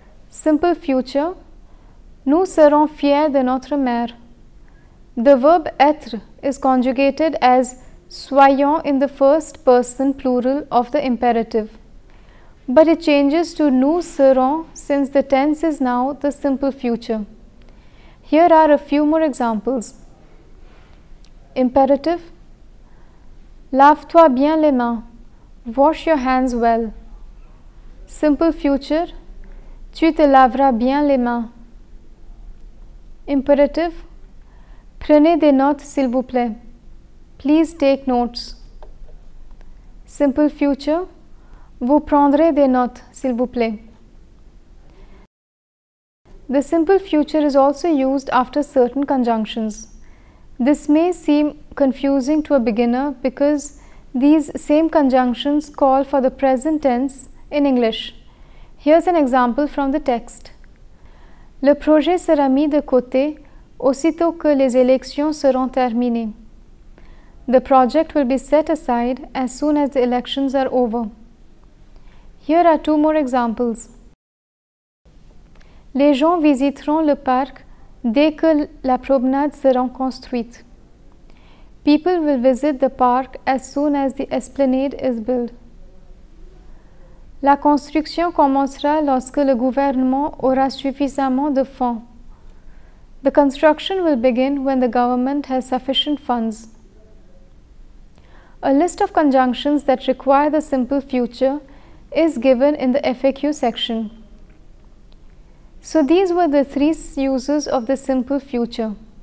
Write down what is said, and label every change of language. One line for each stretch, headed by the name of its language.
English: Simple future:
French: Nous serons fiers de notre maire.
English: The verb être is conjugated as soyons in the first person plural of the imperative. But it changes to nous serons since the tense is now the simple future. Here are a few more examples. Imperative:
French: Lave-toi bien les mains.
English: Wash your hands well. Simple future:
French: Tu te laveras bien les mains. Imperative: Prenez des notes, s'il vous plaît.
English: Please take notes. Simple future:
French: Vous prendrez des notes, s'il vous plaît.
English: The simple future is also used after certain conjunctions. This may seem confusing to a beginner because these same conjunctions call for the present tense in English. Here's an example from the text.
French: Le projet sera mis de côté aussitôt que les élections seront terminées.
English: The project will be set aside as soon as the elections are over. Here are two more examples.
French: Les gens visiteront le parc dès que la promenade sera construite.
English: People will visit the park as soon as the esplanade is built.
French: La construction commencera lorsque le gouvernement aura suffisamment de fonds.
English: The construction will begin when the government has sufficient funds. A list of conjunctions that require the simple future is given in the FAQ section. So, these were the three uses of the simple future.